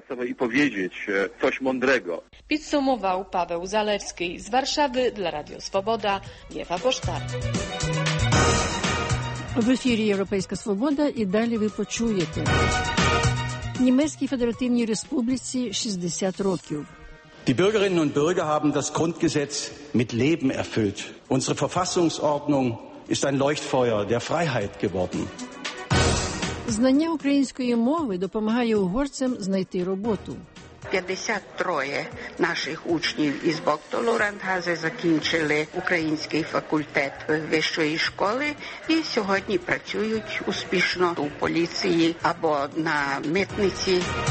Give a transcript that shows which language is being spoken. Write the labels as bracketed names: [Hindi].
[Ukrainian] І повідомити щось мудрого. Підсумував Павел Залевський з Варшави для Радіо Свобода. Єва Поштар. В ефірі Європейська Свобода і далі ви почуєте. Німецькій Федеративній Республіці 60 років. [German] Die Bürgerinnen und Bürger haben das Grundgesetz mit Leben erfüllt. Unsere Verfassungsordnung ist ein Leuchtfeuer der Freiheit geworden. [Ukrainian] Знання української мови допомагає угорцям знайти роботу. 53 наших учнів із Бокто-Лурангази закінчили український факультет вищої школи і сьогодні працюють успішно у поліції або на митниці.